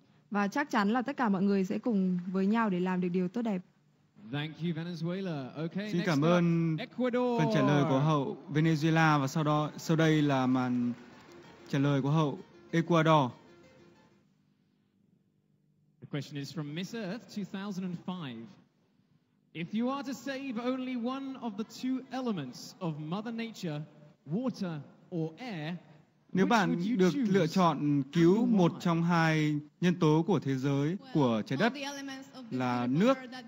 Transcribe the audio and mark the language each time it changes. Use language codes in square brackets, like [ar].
[vi] Và chắc chắn là tất cả mọi người sẽ cùng với nhau để làm được điều tốt đẹp. [en] Thank you, Venezuela. Okay, [vi] xin cảm ơn phần trả lời của hậu Venezuela và sau đây là màn trả lời của hậu Ecuador. [en] The question is from Miss Earth 2005. If you are to save only one of the two elements of Mother Nature, water or air, [vi] nếu bạn được lựa chọn cứu một trong hai nhân tố của thế giới, của trái đất là nước,